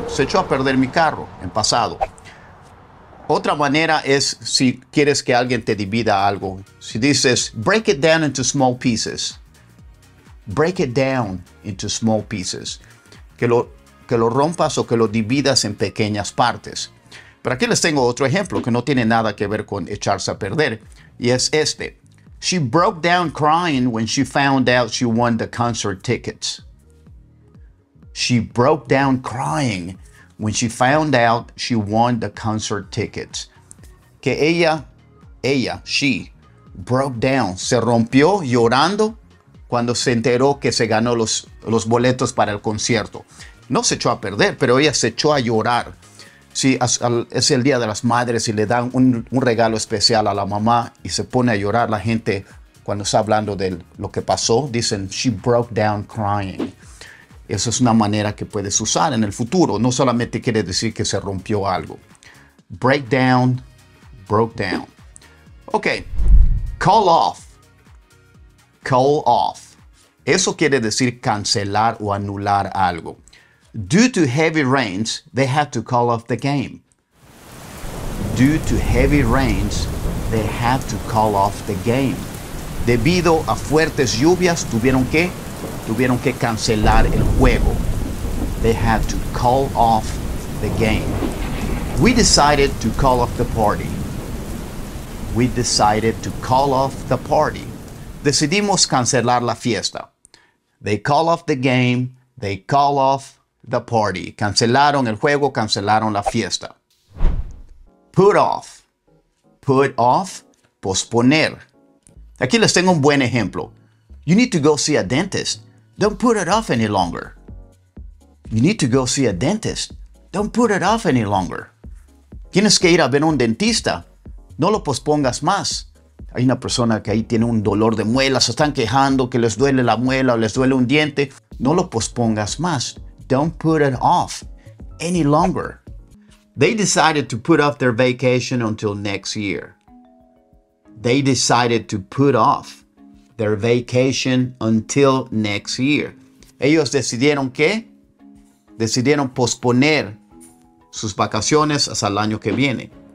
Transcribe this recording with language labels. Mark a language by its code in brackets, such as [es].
[es] Se echó a perder mi carro en pasado. Otra manera es si quieres que alguien te divida algo. Si dices, [en] break it down into small pieces. Break it down into small pieces. [es] Que lo rompas o que lo dividas en pequeñas partes. Pero aquí les tengo otro ejemplo que no tiene nada que ver con echarse a perder. Y es este. [en] She broke down crying when she found out she won the concert tickets. She broke down crying when she found out she won the concert tickets. [es] Que [en] she broke down. [es] Se rompió llorando cuando se enteró que se ganó los boletos para el concierto. No se echó a perder, pero ella se echó a llorar. Sí, es el Día de las Madres y le dan un regalo especial a la mamá y se pone a llorar. La gente, cuando está hablando de lo que pasó, dicen, [en] she broke down crying. [es] Esa es una manera que puedes usar en el futuro. No solamente quiere decir que se rompió algo. [en] Break down, broke down. Ok, call off. Call off. [es] Eso quiere decir cancelar o anular algo. [en] Due to heavy rains, they had to call off the game. Due to heavy rains, they had to call off the game. [es] Debido a fuertes lluvias, tuvieron que cancelar el juego. [en] They had to call off the game. We decided to call off the party. We decided to call off the party. [es] Decidimos cancelar la fiesta. [en] They call off the game. They call off the party. [es] Cancelaron el juego, cancelaron la fiesta. [en] Put off. Put off, [es] posponer. Aquí les tengo un buen ejemplo. [en] You need to go see a dentist. Don't put it off any longer. You need to go see a dentist. Don't put it off any longer. [es] Tienes que ir a ver un dentista. No lo pospongas más. Hay una persona que ahí tiene un dolor de muelas. Se están quejando que les duele la muela o les duele un diente. No lo pospongas más. [en] Don't put it off any longer. They decided to put off their vacation until next year. They decided to put off their vacation until next year. [es] Ellos decidieron qué? Decidieron posponer sus vacaciones hasta el año que viene.